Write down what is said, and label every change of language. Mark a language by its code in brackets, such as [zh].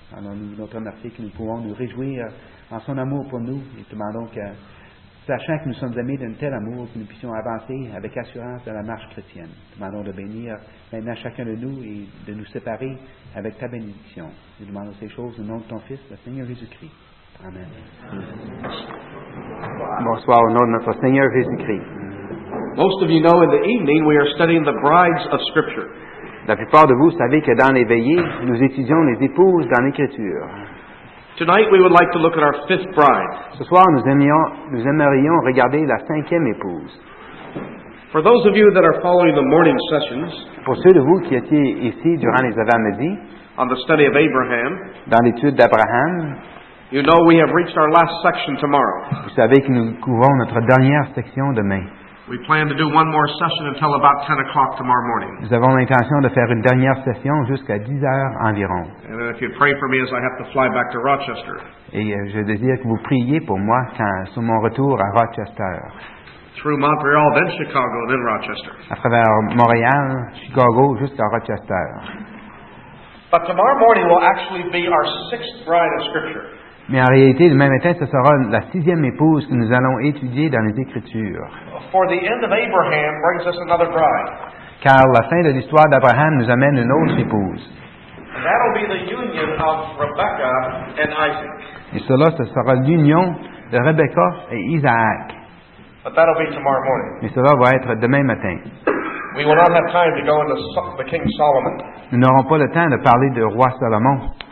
[fr] Alors nous voulons te remercier que nous pouvons nous réjouir en son amour pour nous et te demandons que, sachant que nous sommes aimés d'un tel amour, que nous puissions avancer avec assurance dans la marche chrétienne. Nous demandons de bénir maintenant chacun de nous et de nous séparer avec ta bénédiction. Nous demandons ces choses au nom de ton Fils, le Seigneur Jésus-Christ. Amen. Bonsoir au nom de notre Seigneur Jésus-Christ. [en] Most of you know in the evening we are studying the brides of Scripture. [fr] La plupart de vous savez que dans les veillées, nous étudions les épouses dans l'Écriture. [en] Tonight we would like to look at our fifth bride. [fr] Ce soir, nous aimerions regarder la cinquième épouse. [en] For those of you that are following the morning sessions, [fr] pour ceux de vous qui étiez ici durant les avant-midi, [en] on the study of Abraham, [fr] dans l'étude d'Abraham, [en] you know we have reached our last section tomorrow. [fr] Vous savez que nous couvrons notre dernière section demain. [en] We plan to do one more session until about 10 o'clock tomorrow morning. [fr] Nous avons l'intention de faire une dernière session jusqu'à 10 heures environ. [en] And if you pray for me as I have to fly back to Rochester. [fr] Et je désire que vous priez pour moi sur mon retour à Rochester. [en] Through Montreal, then Chicago, then Rochester. [fr] À travers Montréal, Chicago, jusqu'à Rochester. [en] But tomorrow morning will actually be our sixth bride of Scripture. [fr] Mais en réalité, demain matin, ce sera la sixième épouse que nous allons étudier dans les Écritures. [en] For the end of Abraham brings us another bride. [fr] Car la fin de l'histoire d'Abraham nous amène une autre épouse. [en] And that'll be the union of Rebecca and Isaac. [fr] Et cela, ce sera l'union de Rebecca et Isaac. [en] But that'll be tomorrow morning. [fr] Mais cela va être demain matin. [en] We will not have time to go into the King Solomon. [fr] Nous n'aurons pas le temps de parler du roi Salomon.